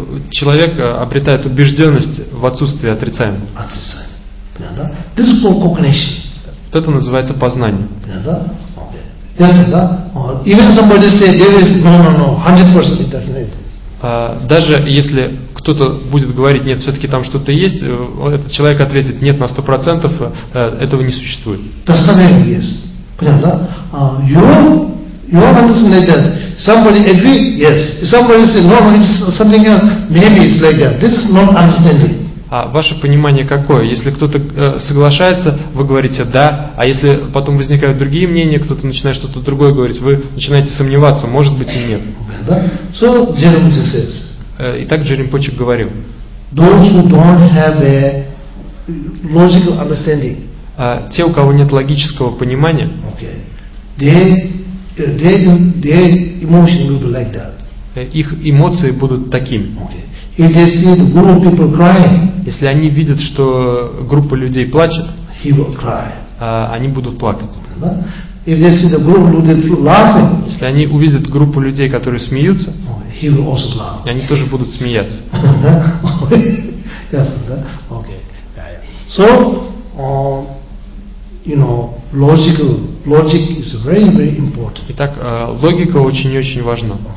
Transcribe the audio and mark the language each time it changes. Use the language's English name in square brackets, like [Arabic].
[Russian] Человек обретает убежденность в отсутствии отрицаемого. Отрицаемого, понятно, да? [English] This is called cognition. [Russian] Вот это называется познание. Понятно, да? Okay. Yes, да? [English] Even somebody say there is no, 100% it doesn't exist. [Russian] Даже если кто-то будет говорить, нет, все-таки там что-то есть, этот человек ответит, нет, на 100% этого не существует. Достоверно есть. Понятно, да? [English] You understand like that. Somebody agree? Yes. Somebody say, no, it's something else. Maybe it's like that. This is not understanding. [Russian] А ваше понимание какое? Если кто-то соглашается, вы говорите «да», а если потом возникают другие мнения, кто-то начинает что-то другое говорить, вы начинаете сомневаться, может быть и нет. [English] So, Jerome says, [Russian] итак, Джерем Почек говорил. [English] Those who don't have a logical understanding, [Russian] те, у кого нет логического понимания, [English] okay. their emotions will be like that. [Russian] Их эмоции будут такими. [English] Okay. If they see the group of people crying, [Russian] если они видят, что группа людей плачет, [English] he will cry. [Russian] Они будут плакать. [English] Okay. If they see the group of people laughing, [Russian] если они увидят группу людей, которые смеются, [English] okay. he will also laugh. [Russian] Они тоже будут смеяться. [English] Yes, okay. So, you know, logic is very, very important. [Russian] Итак, логика очень и очень важна.